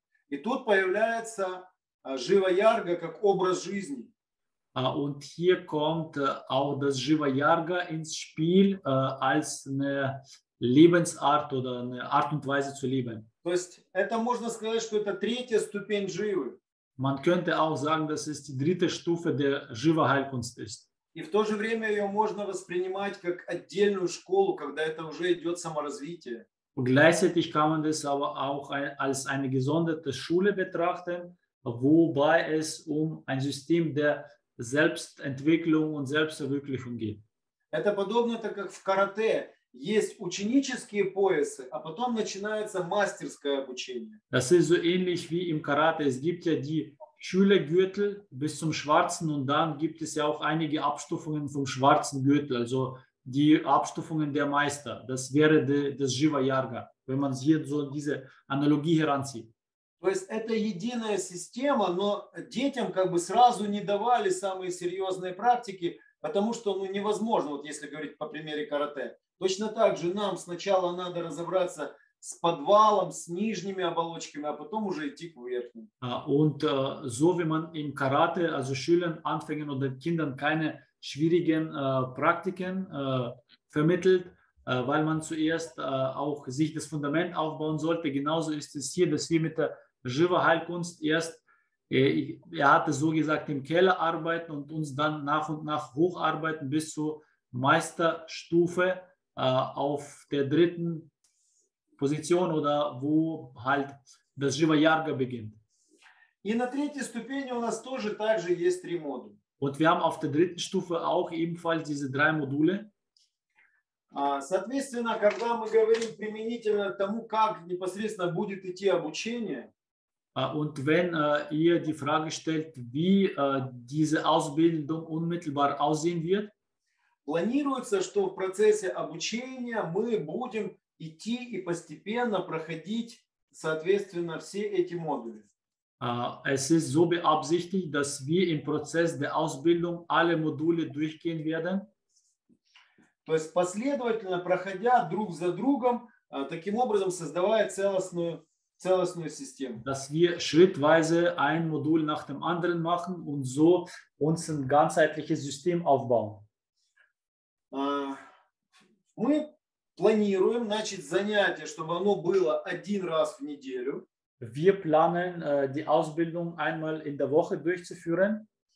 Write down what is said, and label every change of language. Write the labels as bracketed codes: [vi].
[ru] И тут появляется Жива-Ярга как образ жизни. [de] Und hier kommt auch das Jiva-Yarga ins Spiel als eine Lebensart oder eine Art und Weise zu leben. [ru] То есть это можно сказать, что это третья ступень Живы. [de] Man könnte auch sagen, dass es die dritte Stufe der Jiva-Heilkunst ist. [ru] И в то же время ее можно воспринимать как отдельную школу, когда это уже идет саморазвитие. [de] Und gleichzeitig kann man das aber auch als eine gesonderte Schule betrachten, wobei es um ein System der Selbstentwicklung und Selbstverwirklichung geht. [ru] Это подобно, так как в карате есть ученические поясы, а потом начинается мастерское обучение. [de] Das ist so ähnlich wie im Karate. Es gibt ja die Schülergürtel bis zum schwarzen und dann gibt es ja auch einige Abstufungen vom schwarzen Gürtel, also die Abstufungen der Meister. Das wäre das Jiva-Yarga, wenn man hier so diese Analogie heranzieht. [ru] То есть это единая система, но детям как бы сразу не давали самые серьезные практики, потому что ну, невозможно, вот если говорить по примеру карате. Точно так же нам сначала надо разобраться с подвалом, с нижними оболочками, а потом уже идти к верхним. [de] Und so wie man im Karate, also Schülern, Anfängern oder Kindern keine schwierigen Praktiken vermittelt, weil man zuerst auch sich das Fundament aufbauen sollte. Genauso ist es hier, dass wir mit der Jiva-Heilkunst erst, er hat es so gesagt, im Keller arbeiten und uns dann nach und nach hocharbeiten bis zur Meisterstufe auf der dritten Position oder wo halt das Jiva-Yarga beginnt. In der dritten Stufe ist es auch drei Module. Und wir haben auf der dritten Stufe auch ebenfalls diese drei Module. [ru] Соответственно, когда мы говорим применительно тому, как непосредственно будет идти обучение, [de] und wenn ihr die Frage stellt, wie diese Ausbildung unmittelbar aussehen wird, [ru] планируется, что в процессе обучения мы будем идти и постепенно проходить, соответственно, все эти модули. [de] Es ist so beabsichtigt, dass wir im Prozess der Ausbildung alle Module durchgehen werden. [ru] То есть последовательно проходя друг за другом, таким образом создавая целостную систему. [de] Dass wir schrittweise ein Modul nach dem anderen machen und so uns ein ganzheitliches System aufbauen. [ru] Мы планируем, значит, занятие, чтобы оно было один раз в неделю. [de] Wir planen, die Ausbildung einmal in der Woche durchzuführen.